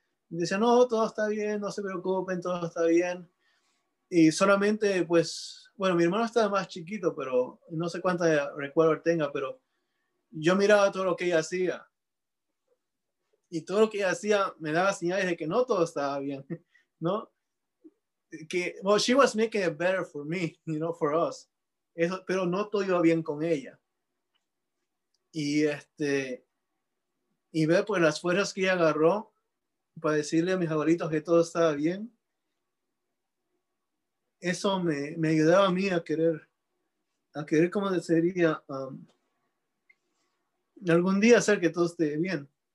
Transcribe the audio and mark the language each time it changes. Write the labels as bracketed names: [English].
[Spanish] Me decían, no, todo está bien, no se preocupen, todo está bien. Y solamente, pues, bueno, mi hermano estaba más chiquito, pero no sé cuánta recuerdo tenga, pero yo miraba todo lo que ella hacía. Y todo lo que ella hacía me daba señales de que no todo estaba bien, ¿no? Que, [English] well, she was making it better for me, you know, for us. [Spanish] Eso, pero no todo iba bien con ella. Y ve, pues, las fuerzas que ella agarró para decirle a mis abuelitos que todo estaba bien. Eso me ayudaba a mí a querer como sería algún día hacer que todo esté bien.